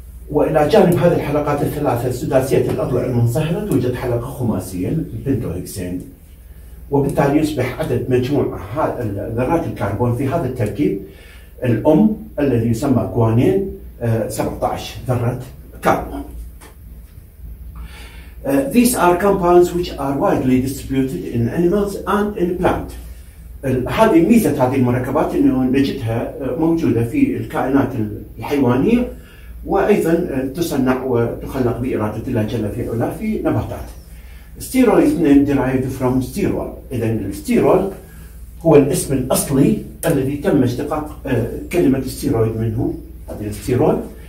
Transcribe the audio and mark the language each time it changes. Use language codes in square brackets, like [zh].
[ar] والى جانب هذه الحلقات الثلاثه السداسيه الاضلاع المنصهره توجد حلقه خماسيه البنتوهكسين، وبالتالي يصبح عدد مجموع ذرات الكربون في هذا التركيب الام الذي يسمى جوانين 17 ذره كربون. [en] These are compounds which are widely distributed in animals and in plants. [ar] هذه ميزة هذه المركبات إنه نجدها موجودة في الكائنات الحيوانية، وأيضا تصنع وتخلق بإرادة الله جل في علاه في نباتات. [en] Sterols name derived from sterol. [ar] إذا الستيرول هو الاسم الأصلي الذي تم اشتقاق كلمة ستيرويد منه، هذا الستيرول.